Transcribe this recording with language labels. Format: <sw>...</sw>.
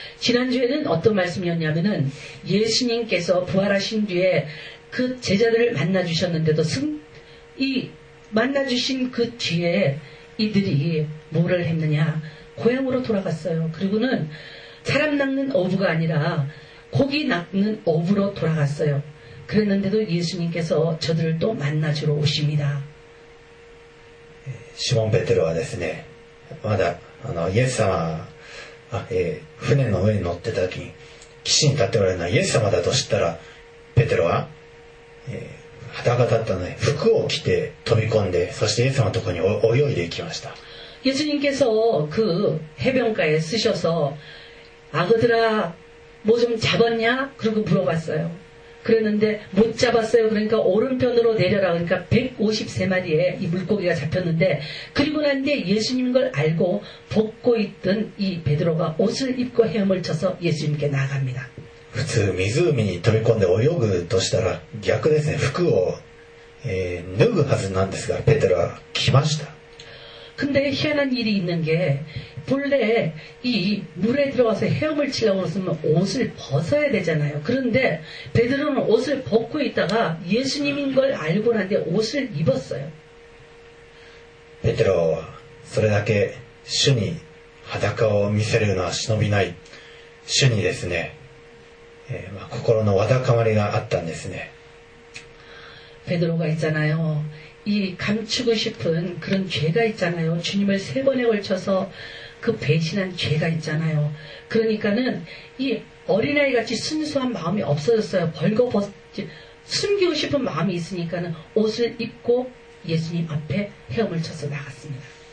<ko>지난주에는 어떤 말씀이었냐면은 예수님께서 부활하신 뒤에 그 제자들을 만나주셨는데도 이 만나주신 그 뒤에 이들이 뭐를 했느냐, 고향으로 돌아갔어요. 그리고는 사람 낚는 어부가 아니라 고기 낚는 어부로 돌아갔어요. 그랬는데도 예수님께서 저들을 또 만나주러 오십니다. 시몬 베드로와</ko> <ja>ですね, 마다 예수様 船の上に乗ってた時、岸に立っておられるのはイエス様だと知ったら、ペテロは裸だったので服を着て飛び込んで、そしてイエス様のところに泳いでいきました。</ja> <ko>예수님께서 그 해변가에 쓰셔서 아그들아 뭐 좀 잡았냐? 그러고 물어봤어요. 그랬는데 못 잡았어요. 그러니까 오른편으로 내려라. 그러니까 153마리의 이 물고기가 잡혔는데, 그리고 난 뒤에 예수님 걸 알고 벗고 있던 이 베드로가 옷을 입고 헤엄을 쳐서 예수님께 나갑니다.</ko> <ja>普通湖に飛び込んで泳ぐとしたら逆ですね。服を脱ぐはずなんですが、ペテロは来ました。</ja> <ko>근데 희한한 일이 있는 게, 본래 이 물에 들어가서 헤엄을 치려고 했으면 옷을 벗어야 되잖아요. 그런데 베드로는 옷을 벗고 있다가 예수님인 걸 알고 난 뒤에 옷을 입었어요.</ko> <ja>ペテロはそれだけ主に裸を見せるのは忍びない主にですね、心のわだかまりがあったんですね。ペテロが言ったなよ、</ja> <ko>이감추고싶은그런죄가있잖아요주님을세번에걸쳐서그배신한죄가있잖아요그러니까는이어린아이같이순수한마음이없어졌어요벌거벗숨기고싶은마음이있으니까는옷을입고예수님앞에헤엄을쳐서나갔습니다</ko>